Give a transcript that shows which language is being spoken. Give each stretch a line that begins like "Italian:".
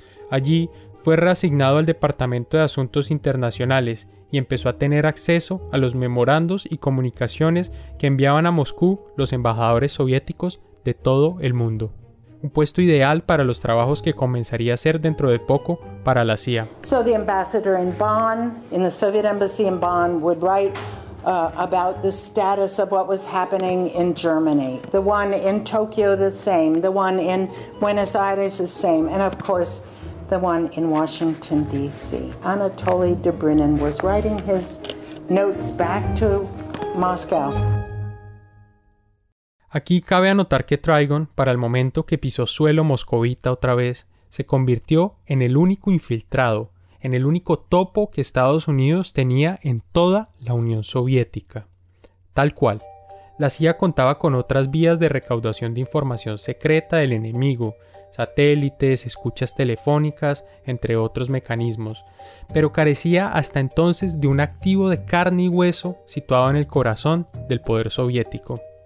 Spanish: Allí fue reasignado al Departamento de Asuntos Internacionales y empezó a tener acceso a los memorandos y comunicaciones que enviaban a Moscú los embajadores soviéticos de todo el mundo. Un puesto ideal para los trabajos que comenzaría a hacer dentro de poco para la CIA.
English: So the ambassador in Bonn, in the Soviet embassy in Bonn, would write about the status of what was happening in Germany. The one in Tokyo, the same. The one in Buenos Aires, the same. And of course, the one in Washington, D.C. Anatoly Dobrynin was writing his notes back to Moscow.
Spanish: Aquí cabe anotar que Trigon, para el momento que pisó suelo moscovita otra vez, se convirtió en el único infiltrado, en el único topo que Estados Unidos tenía en toda la Unión Soviética. Tal cual, la CIA contaba con otras vías de recaudación de información secreta del enemigo, satélites, escuchas telefónicas, entre otros mecanismos, pero carecía hasta entonces de un activo de carne y hueso situado en el corazón del poder soviético.